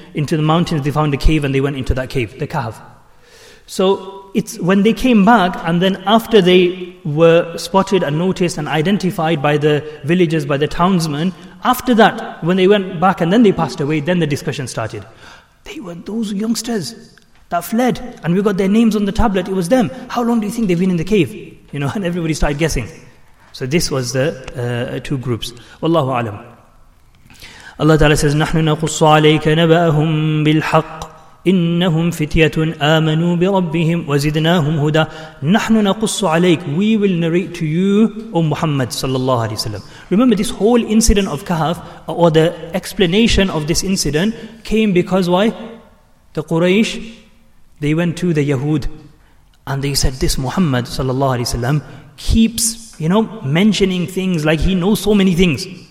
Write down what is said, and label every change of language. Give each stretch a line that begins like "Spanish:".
English: Into the mountains, they found a cave and they went into that cave, the Kahf. So it's when they came back, and then after they were spotted and noticed and identified by the villagers, by the townsmen, after that, when they went back and then they passed away, then the discussion started. They were those youngsters that fled, and we got their names on the tablet. It was them. How long do you think they've been in the cave? You know, and everybody started guessing. So this was the two groups.
Arabic: Wallahu alam.
English: Allah Ta'ala says,
Arabic: نَحْنُ نَقُصُّ عَلَيْكَ نَبَأَهُمْ بِالْحَقِّ إِنَّهُمْ فِتْيَةٌ آمَنُوا بِرَبِّهِمْ وَزِدْنَاهُمْ هُدًى. نَحْنُ نَقُصُّ عَلَيْكَ.
English: We will narrate to you, O Muhammad sallallahu alayhi wa sallam. Remember, this whole incident of Kahf, or the explanation of this incident, came because why? The Quraysh, they went to the Yahud and they said, this Muhammad sallallahu alaihi wasallam keeps, mentioning things like he knows so many things.